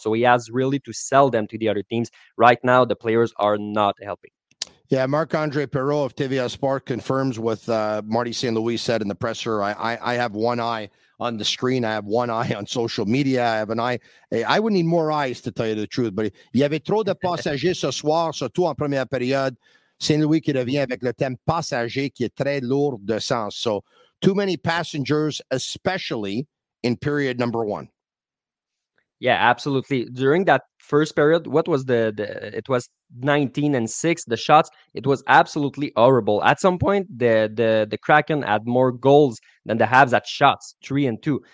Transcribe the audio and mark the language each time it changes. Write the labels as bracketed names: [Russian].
[English] So he has really to sell them to the other teams. Right now, the players are not helping. Yeah, Marc-Andre Perrault of TVA Sports confirms what Marty St. Louis said in the presser. I have one eye on the screen. I have one eye on social media. I have an eye. I would need more eyes, to tell you the truth. But [French] il y avait trop de passagers ce soir, surtout en première période. St. Louis qui revient avec le thème passager qui est très lourd de sens. [English] So, too many passengers, especially in period number one. Yeah, absolutely. During that first period, what was it was 19-6, the shots, it was absolutely horrible. At some point, the Kraken had more goals than the Habs at shots, 3-2.